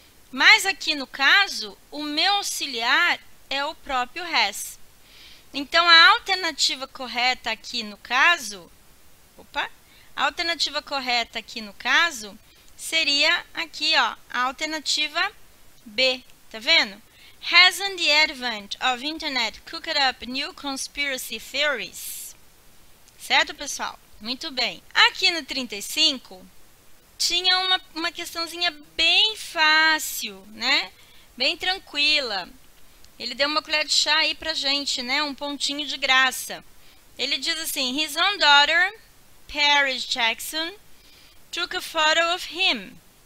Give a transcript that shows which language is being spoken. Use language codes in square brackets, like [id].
[pt] Mas aqui no caso, o meu auxiliar é o próprio has. Então, a alternativa correta aqui no caso, opa, a alternativa correta aqui no caso seria aqui, ó, a alternativa B, tá vendo? [en] Hasn't the advent of internet cooked up new conspiracy theories? [pt] Certo, pessoal? Muito bem. Aqui no 35, tinha uma questãozinha bem fácil, né? Bem tranquila. Ele deu uma colher de chá aí pra gente, né? Um pontinho de graça. Ele diz assim: [en] His own daughter, Paris Jackson, took a photo of him.